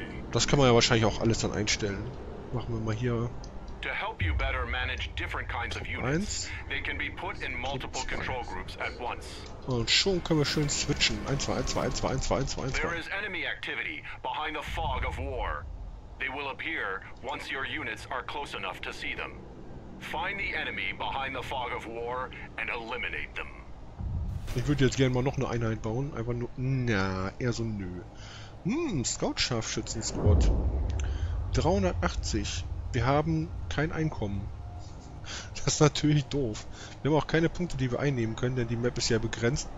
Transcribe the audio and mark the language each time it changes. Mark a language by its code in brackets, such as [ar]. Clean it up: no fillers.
[de] Das kann man ja wahrscheinlich auch alles dann einstellen. Machen wir mal hier. [en] To help you better manage different kinds of units, they can be put in multiple control groups at once. [de] Und schon können wir schön switchen. 1, 2, 1, 2, 1, 2, 1, 2, 1, 2, 1, 2. [en] There is enemy activity behind the fog of war. They will appear once your units are close enough to see them. Find the enemy behind the fog of war and eliminate them. [de] Ich würde jetzt gerne mal noch eine Einheit bauen, einfach nur. Na, eher so nö. Scout-Scharfschützen-Squad. 380. Wir haben kein Einkommen. Das ist natürlich doof. Wir haben auch keine Punkte, die wir einnehmen können, denn die Map ist ja begrenzt.